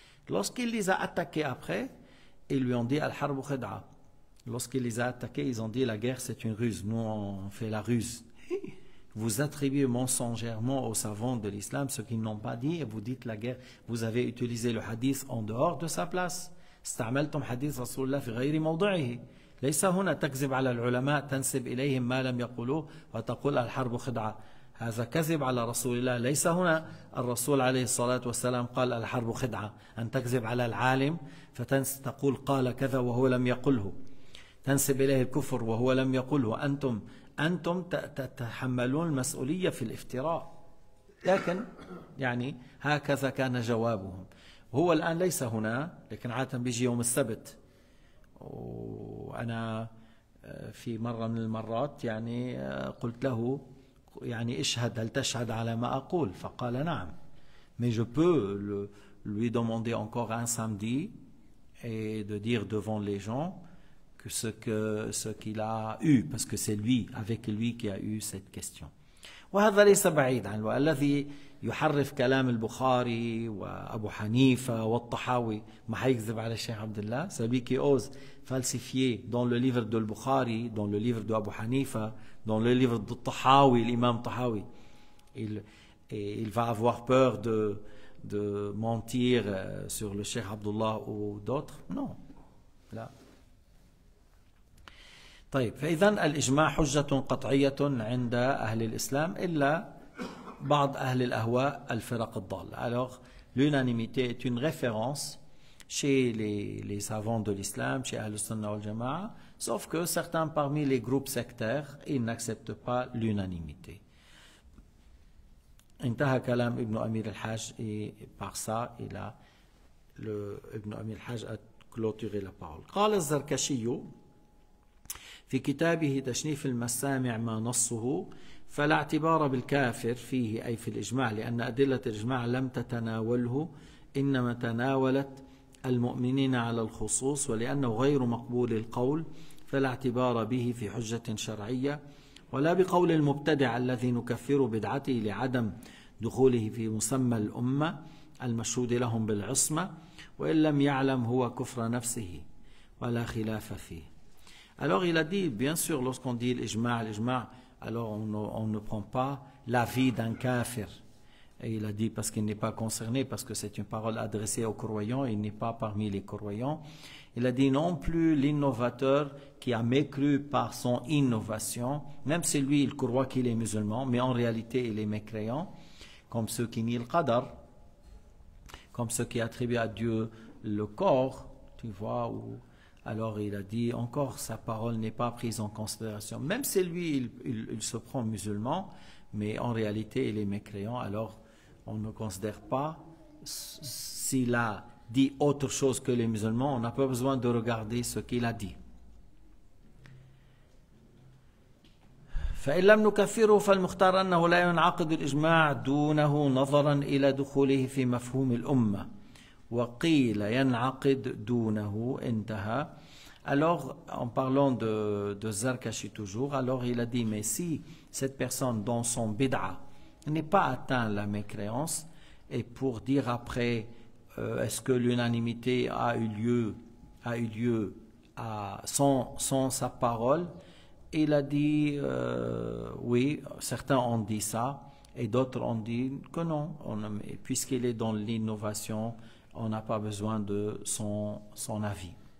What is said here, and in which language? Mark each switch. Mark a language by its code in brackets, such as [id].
[fr] Lorsqu'il les a attaqués après, ils lui ont dit [ar] Al-Harb Khida. [fr] Lorsqu'il les a attaqués, ils ont dit la guerre c'est une ruse. Nous on fait la ruse. Vous attribuez mensongèrement aux savants de l'islam ce qu'ils n'ont pas dit et vous dites la guerre. Vous avez utilisé le hadith en dehors de sa place. [ar] استعملتم حديث رسول الله في غير موضعه. ليس هنا تكذب على العلماء تنسب إليهم ما لم يقولوه وتقول الحرب خدعة. هذا كذب على رسول الله ليس هنا الرسول عليه الصلاة والسلام قال الحرب خدعة أن تكذب على العالم فتقول قال كذا وهو لم يقله تنسب إليه الكفر وهو لم يقله أنتم تتحملون المسؤولية في الافتراء لكن يعني هكذا كان جوابهم هو الآن ليس هنا لكن عادة بيجي يوم السبت وأنا في مرة من المرات يعني قلت له يعني اشهد، هل تشهد على ما أقول؟ فقال نعم. [fr] Mais je peux lui demander encore un samedi et de dire devant les gens que ce qu'il a eu, parce que c'est lui, avec lui, qui a eu cette question. [ar] وهذا ليس بعيد عن الذي يحرف كلام البخاري وأبو حنيفة والطحاوي. ما حيكذب على الشيخ عبد الله، [fr] celui qui ose falsifier dans le livre de البخاري، dans le livre de أبو حنيفة، dans le livre de الطحاوي، الإمام الطحاوي، il va avoir peur de mentir sur le Cheikh Abdullah ou d'autres. Non. [ar] لا. طيب، فإذا الإجماع حجة قطعية عند أهل الإسلام إلا بعض أهل الأهواء الفرق الضالة. [fr] Alors, l'unanimité est une référence chez les savants de l'islam, chez Ahl al-Sunnah wal-Jama'a, sauf que certains parmi les groupes sectaires, ils n'acceptent pas l'unanimité. [ar] انتهى كلام ابن أمير الحاج [fr] par ça, il a le ابن أمير الحاج a clôturé la parole. [ar] قال الزركشي في كتابه تشنيف المسامع ما نصه، فلا اعتبار بالكافر فيه أي في الإجماع، لأن أدلة الإجماع لم تتناوله، إنما تناولت المؤمنين على الخصوص، ولأنه غير مقبول القول فلا اعتبار به في حجة شرعية، ولا بقول المبتدع الذي نكفر بدعته لعدم دخوله في مسمى الأمة المشهود لهم بالعصمة، وإن لم يعلم هو كفر نفسه ولا خلاف فيه. [fr] Alors il a dit, bien sûr, lorsqu'on dit l'ijma, alors on ne prend pas l'avis d'un kafir. Et il a dit, parce qu'il n'est pas concerné, parce que c'est une parole adressée aux croyants, il n'est pas parmi les croyants. Il a dit, non plus l'innovateur qui a mécru par son innovation, même si lui, il croit qu'il est musulman, mais en réalité, il est mécréant, comme ceux qui nient le qadar, comme ceux qui attribuent à Dieu le corps, tu vois, ou... Alors il a dit, encore sa parole n'est pas prise en considération. Même si lui, il se prend musulman, mais en réalité, il est mécréant. Alors on ne considère pas s'il a dit autre chose que les musulmans. On n'a pas besoin de regarder ce qu'il a dit. [ar] فإن لم نكفره فالمختار أنه لا ينعقد الإجماع دونه نظرا إلى دخوله في مفهوم الأمة. وقيل ينعقد دونه انتهى. [fr] Alors, en parlant de Zarkashi toujours, alors il a dit, mais si cette personne dans son bid'a n'est pas atteint la mécréance, et pour dire après, est-ce que l'unanimité a eu lieu à, sans sa parole, il a dit, oui, certains ont dit ça, et d'autres ont dit que non, puisqu'il est dans l'innovation, on n'a pas besoin de son avis.